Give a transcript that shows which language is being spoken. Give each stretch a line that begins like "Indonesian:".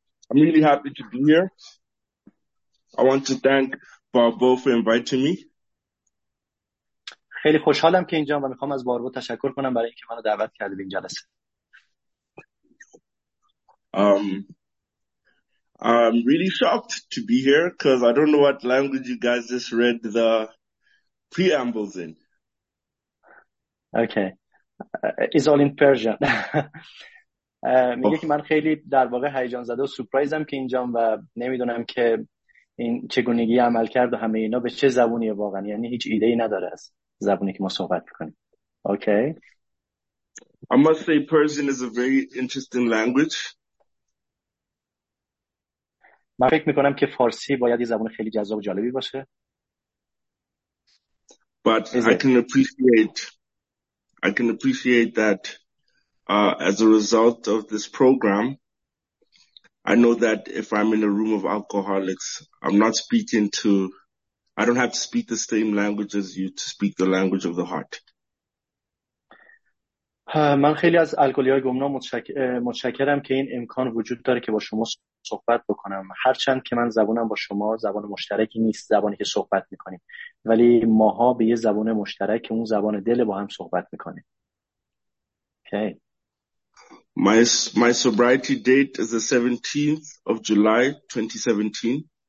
English: I'm really happy to be here. I want to thank Barbo for inviting me.
Persian: خیلی خوشحالم که اینجا و میخوام از باربو تشکر کنم برای اینکه منو دعوت کرده به این جلسه.
English: I'm really shocked to be here because I don't know what language you guys just read the preambles in. Okay. It's all in Persian.
Persian: میگه که من خیلی در واقع هیجان زده و سورپرایزم که اینجام و نمیدونم که این چگونگی عمل کرد و همه اینا به چه زبونی واقعا، یعنی هیچ ایده‌ای نداره از زبونی که ما صحبت می‌کنیم.
English: Okay. I must say Persian is a very interesting language.
Persian: من فکر میکنم که فارسی باید یه زبان خیلی جذاب و جالبی باشه.
English: But I can appreciate that as a result of this program, I know that if I'm in a room of alcoholics, I don't have to speak the same language as you to speak the language of the heart.
Persian: من خیلی از الکلی‌های گمنام متشکرم که این امکان وجود داره که با شما صحبت بکنم، هرچند که من زبانم با شما زبان مشترکی نیست، زبانی که صحبت میکنیم، ولی ماها به یه زبان مشترک، اون زبان دل، با هم صحبت میکنیم.
English: Okay. My sobriety date is the 17th of July 2017.